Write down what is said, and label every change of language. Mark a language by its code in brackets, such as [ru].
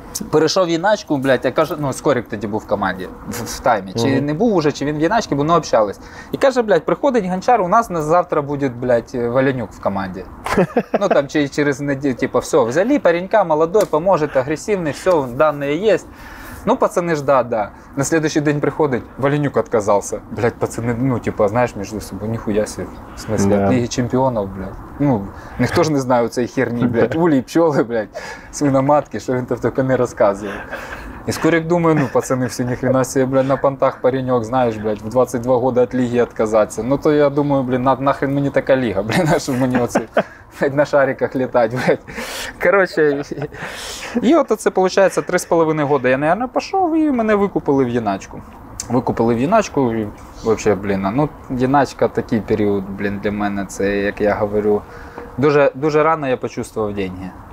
[uk] Перейшов в Іначку, блядь, я кажу, ну Скорик тоді був в команді, в Таймі, чи не був уже, чи він в Іначці, бо ми общались. І каже, блядь, приходить Гончар, у нас завтра буде, блядь, Валянюк в команді. Ну там через неділю, типу, все, взяли паренька, молодой, поможе, агресивний, все, дані є. Ну, пацани ж, да. [ru] На следующий день приходить, Валенюк отказался. Блядь, пацани, ну, типа, знаешь, между собой, нихуя себе. В смысле, yeah. Лиги чемпионов, блядь. Ну, никто ж не знает цей херни, блядь. [uk] Улі, пчоли, блядь, свиноматки, що він там только не розказує. І Скорик думаю, ну, пацани, все, ніхрена себе, блядь, на понтах паренек, знаєш, блядь, [ru] в 22 года от лиги отказаться. [uk] Ну, то я думаю, блядь, нахрен мені така лига, блядь, а що мені оце... На шариках літати, блядь. Короче, і от це, виходить, 3,5 года. Я, мабуть, пішов, і мене викупили в Єначку. Викупили в Єначку, і, взагалі, блін, ну, Єначка такий період, блін, для мене, це, як я говорю, дуже, дуже рано я почувствував деньги.